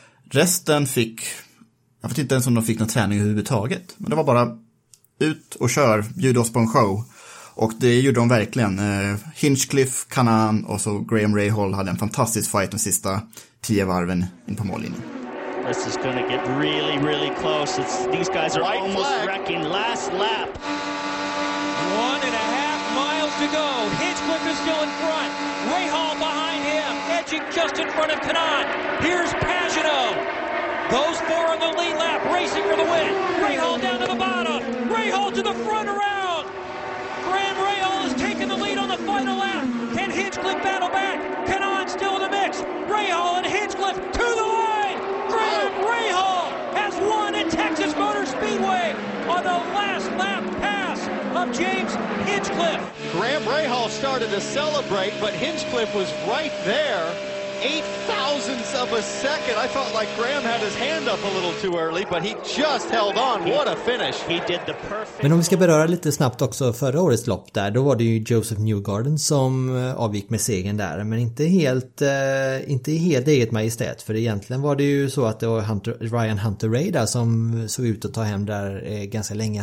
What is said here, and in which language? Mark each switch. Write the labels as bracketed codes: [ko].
[sv] Resten fick, jag vet inte ens om de fick någon träning överhuvudtaget. Men det var bara ut och kör, bjuda oss på en show. Och det gjorde de verkligen. Hinchcliffe, Kanaan och så Graham Rahal hade en fantastisk fight de sista 10 varven in på mållinjen. [en] This is going to get really, really close. These guys are white almost flag. Wrecking last lap. 1.5 miles to go. Hinchcliffe is still in front. Rahal behind him. Just in front of Kanaan. Here's Pagano. Those four on the lead lap racing for the win. Rahal down to the bottom. Rahal to the front around. Graham Rahal has taken the lead on the final lap. Can Hinchcliffe battle back? Kanaan still in the mix. Rahal and Hinchcliffe to the line. Graham Rahal has won at Texas Motor Speedway on the last lap pass of James Hinchcliffe. Graham Rahal started to celebrate, but Hinchcliffe was right there. 8/1000 of a second. I felt like Graham had his hand up a little too early, but he just held on. What a finish. He did the perfect. [sv] Men om vi ska beröra lite snabbt också förra årets lopp där, då var det ju Joseph Newgarden som avgick med segern där, men inte helt eget majestät, för egentligen var det ju så att det var Ryan Hunter-Reay där som såg ut att ta hem där ganska länge.